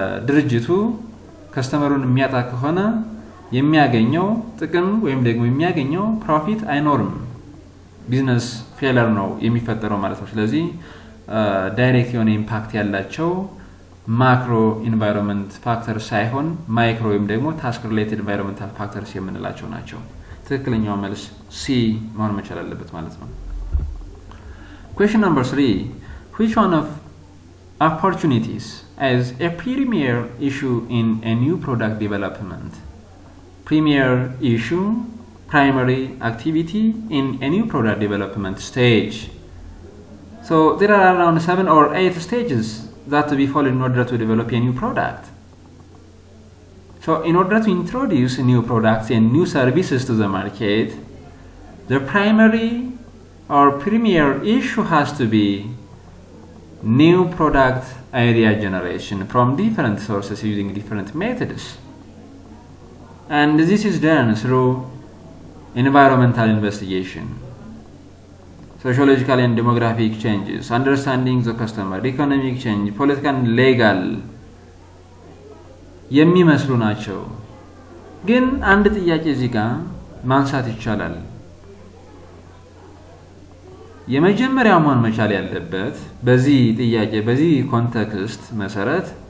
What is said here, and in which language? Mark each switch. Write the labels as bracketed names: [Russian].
[Amharic] ድርጅቱ ካስተመሩን የሚያጣ ከሆነ የሚያገኘው ጥቅም ወይም ደግሞ የሚያገኘው ፕሮፊት አይኖርም። ቢዝነስ ፌለር ነው የሚፈጠረው ማለት ነው። ስለዚህ ዳይሬክት የሆነ ኢምፓክት ያላቸው [English] macro environment factors [Amharic] ሳይሆን micro ወይም ደግሞ [English] task related environmental factors [Amharic] የምንላቸው ናቸው። ትክክለኛው መልስ C መሆን መቻል አለበት ማለት ነው። [English] Question number 3, which one of opportunities as a premier issue in a new product development? Premier issue, primary activity in a new product development stage. So there are around 7 or 8 stages that we follow in order to develop a new product. So in order to introduce new products and new services to the market, the primary or premier issue has to be new product idea generation from different sources using different methods. And this is done through environmental investigation, sociological and demographic changes, understanding the customer, economic change, political and legal. [Amharic] የሚመስሉ ናቸው ግን አንድ ጥያቄ እዚህ ጋር ማንሳት ይቻላል የመጀመሪያ ማን መቻል ያለበት በዚህ ጥያቄ በዚህ ኮንቴክስት መሰረት